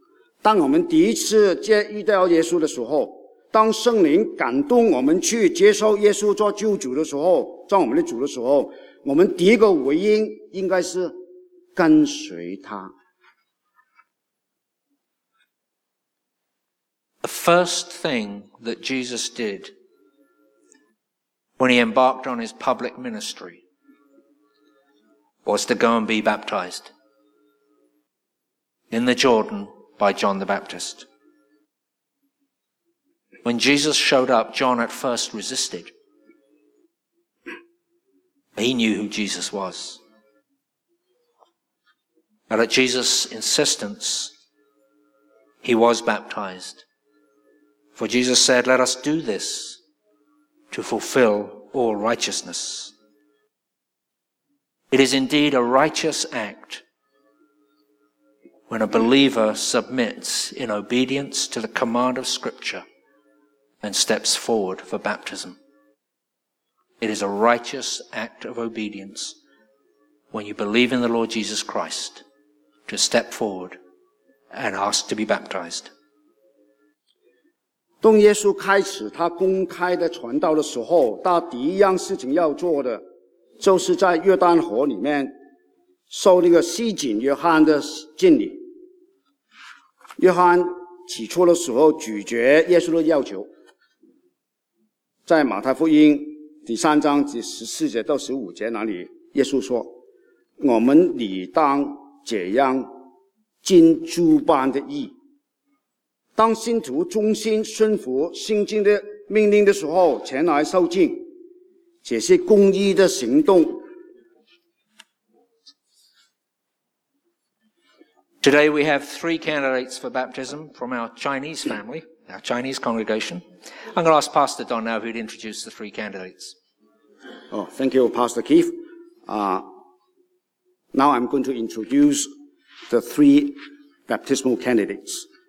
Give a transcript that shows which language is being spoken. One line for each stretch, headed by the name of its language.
Chinese: 首先，耶稣证明他是谁？他是神的儿子，弥赛亚，没有疑问。他是生命的主，他是一切的主，他呼召所有的人到他那里。他对我们每一个人的呼召，他呼召我们做什么？他呼召我们跟随我，跟随耶稣基督。当我们第一次遇到耶稣的时候， 当圣灵感动我们去接受耶稣做救主的时候，做我们的主的时候，我们第一个回应应该是跟随他。
English: The first thing that Jesus did when He embarked on His public ministry was to go and be baptized in the Jordan by John the Baptist. When Jesus showed up, John at first resisted. He knew who Jesus was. But at Jesus' insistence, he was baptized. For Jesus said, let us do this to fulfill all righteousness. It is indeed a righteous act when a believer submits in obedience to the command of Scripture and steps forward for baptism. It is a righteous act of obedience when you believe in the Lord Jesus Christ to step forward and ask to be baptized.
Chinese: 当耶稣开始他公开的传道的时候，他第一样事情要做的，就是在约旦河里面受那个洗浸约翰的浸礼。约翰起初的时候拒绝耶稣的要求，在马太福音第三章第十四节到十五节那里，耶稣说：“我们理当这样尽诸般的义。” 当信徒忠心顺服圣经的命令的时候，前来受浸，这些公义的行动。
English: Today we have three candidates for baptism from our Chinese family, our Chinese congregation. I'm going to ask Pastor Don now if he'd introduce the three candidates. Oh, thank you, Pastor Keith. Now I'm going to introduce the three baptismal candidates.